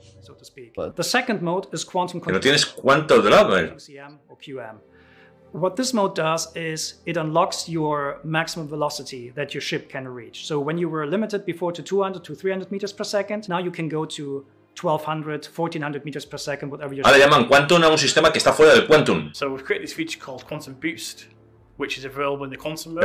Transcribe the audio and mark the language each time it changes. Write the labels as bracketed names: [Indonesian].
[English] So to speak. But the second mode is quantum. [Spanish] ¿Que no tienes cuánto de lado, eh? [English] QCM or QM. What this mode does is it unlocks your maximum velocity that your ship can reach. So when you were limited before to 200 to 300 meters per second, now you can go to 1200, 1400 meters per second, whatever your. [Spanish] Ahora llaman Quantum a un sistema que está fuera del Quantum. [English] So we've created this feature called Quantum Boost, which is available in the Quantum mode.